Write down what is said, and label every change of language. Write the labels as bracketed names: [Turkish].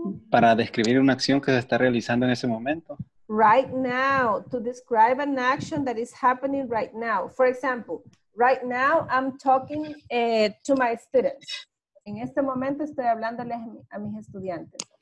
[Spanish] Para describir una acción que se está realizando en ese momento. [English] Right now, to describe an action that is happening right now. For example, right now I'm talking to my students. [Spanish] En este momento estoy hablándoles a mis estudiantes.